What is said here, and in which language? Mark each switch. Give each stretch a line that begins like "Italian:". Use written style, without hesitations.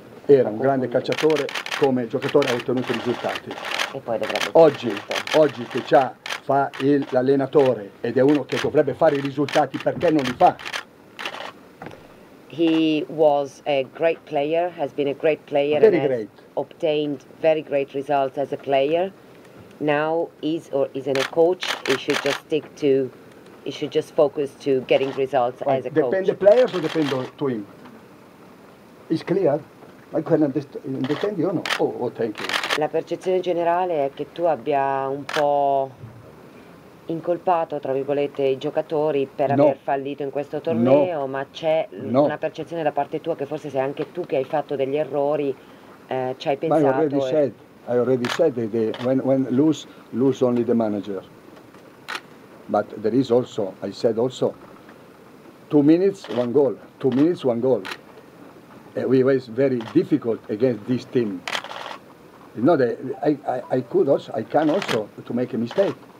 Italian: Era un grande calciatore, come giocatore ha ottenuto risultati. E poi dovrebbe oggi che c'ha, fa l'allenatore ed è uno che dovrebbe fare I risultati, perché non li fa?
English: He was a great player, has been a great player, very and great. Has obtained very great results as a player. Now he's or isn't a coach, he should just stick to, he should just focus to getting results but as a depend Depend the players or depend to him? It's clear. I can understand you or no? Oh, thank you.
Italian: La percezione generale è che tu abbia un po' incolpato, tra virgolette, I giocatori per no. aver fallito in questo torneo, no. ma c'è no. una percezione da parte tua che forse sei anche tu che hai fatto degli errori, ci hai pensato.
English: I already said, that when lose only the manager. But there is also, I said also, 2 minutes, one goal. 2 minutes, one goal. We was very difficult against this team. You know, I can also to make a mistake.